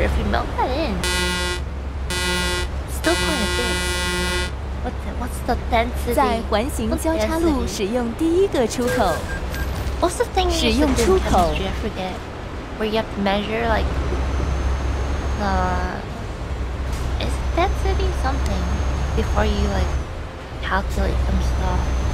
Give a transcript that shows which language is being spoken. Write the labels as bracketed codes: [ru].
[en] If you melt that in, still kind of big. What's the density? [zh] 在环形交叉路使用第一个出口。 [en] What's the thing you use in chemistry? I forget. Where you have to measure, like, the is density something before you, like, calculate some stuff.